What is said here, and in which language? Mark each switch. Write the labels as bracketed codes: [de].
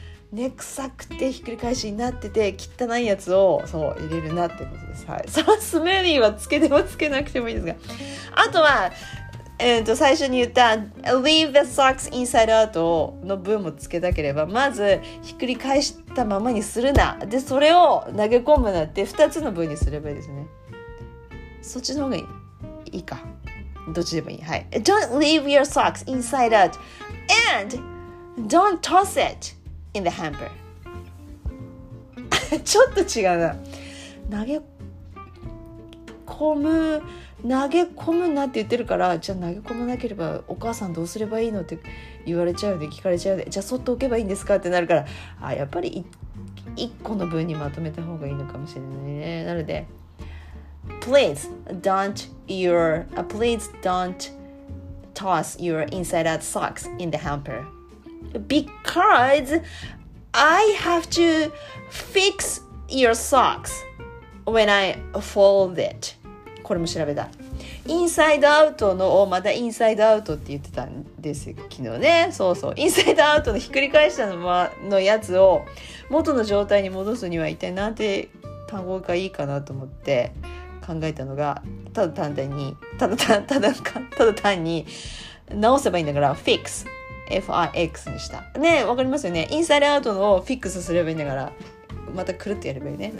[ja] ね、臭くてひっくり返しになってて汚いやつをそう入れるなってことです、はい、そのスメリーはつけてもつけなくてもいいですが、あとは、最初に言った [en] leave the socks inside out [ja] の分もつけたければ、まずひっくり返したままにするな、でそれを投げ込むなって2つの分にすればいいですね。そっちの方がいいか、どっちでもいい、はい。 [en] Don't leave your socks inside out and don't toss it in the hamper。 [ja] ちょっと違うな、投げ込むなって言ってるから、じゃあ投げ込まなければお母さんどうすればいいのって言われちゃうで、聞かれちゃうで、じゃあそっと置けばいいんですかってなるから、あ、やっぱり1個の分にまとめた方がいいのかもしれないね。なので [en] Please don't your、please don't toss your inside out socks in the hamper because I have to fix your socks when I fold it。 [ja] これも調べた、インサイドアウトの、まだインサイドアウトって言ってたんです昨日ね、そうそう、インサイドアウトのひっくり返したのやつを元の状態に戻すには一体なんて単語がいいかなと思って考えたのが、ただ単に直せばいいんだから fix、 F-I-X にしたね、わかりますよね、インサイドアウトのをフィックスすればいいんだから、またくるってやればいいね。